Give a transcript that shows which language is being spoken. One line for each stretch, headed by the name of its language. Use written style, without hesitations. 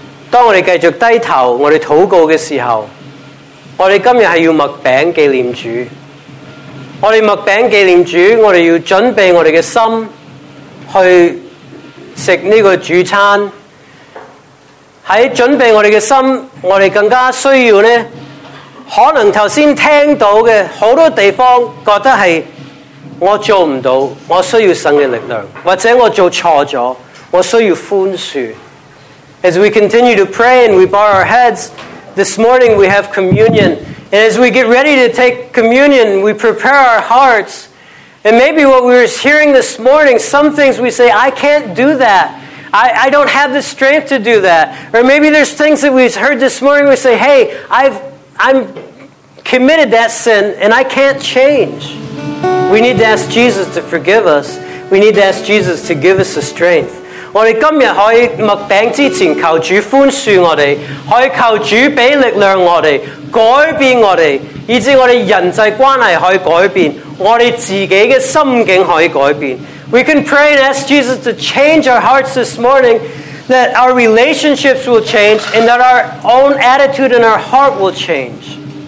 Chinese: 当我们继续低头我们祷告的时候，我们今天是要麦饼纪念主，我们麦饼纪念主，我们要准备我们的心去吃这个主餐，在准备我们的心，我们更加需要呢，可能刚才听到的很多地方觉得是我做不到，我需要神的力量，或者我做错了，我需要宽恕。
English: As we continue to pray and we bow our heads, this morning we have communion. And as we get ready to take communion, we prepare our hearts. And maybe what we were hearing this morning, some things we say, I can't do that. I don't have the strength to do that. Or maybe there's things that we've heard this morning, we say, hey, I'm committed that sin and I can't change. We need to ask Jesus to forgive us. We need to ask Jesus to give us the strength.
Chinese: 我们今天可以麦饼之前求主宽恕我们，可以求主给力量我们，改变我们，以致我们人际关系可以改变，我们自己的心境可以改变。
English: We can pray and ask Jesus to change our hearts this morning, that our relationships will change and that our own attitude and our heart will change.